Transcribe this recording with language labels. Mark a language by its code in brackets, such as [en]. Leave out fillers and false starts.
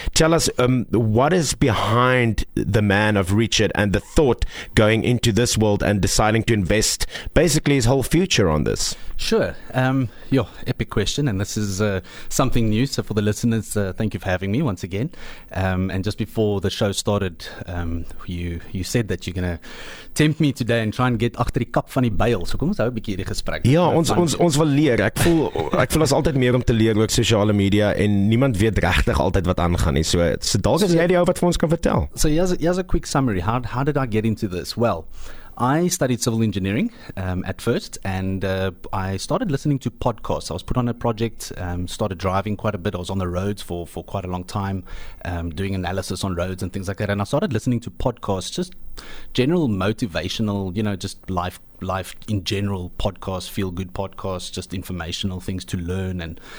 [en] Tell us, what is behind the man of Richard and the thought going into this world and deciding to invest basically his whole future on this? Sure. Epic question, and this is something new. So for the listeners, thank you for having me once again. And just before the show started, you said that you're going to tempt me today and try and get [af] achter die kap van die byl. So kom ons hou 'n bietjie hierdie gesprek. Ja, ons wil leer. Ek voel ons altyd meer om te leer oor sosiale media en niemand weet regtig altyd wat aangaan nie. So dalk is jy die ou wat vir ons kan vertel. [en] So here's a quick summary. How did I get into this? Well, I studied civil engineering at first, and I started listening to podcasts. I was put on a project, started driving quite a bit. I was on the roads for quite a long time, doing analysis on roads and things like that. And I started listening to podcasts, just general motivational, you know, just life in general podcasts, feel good podcasts, just informational things to learn.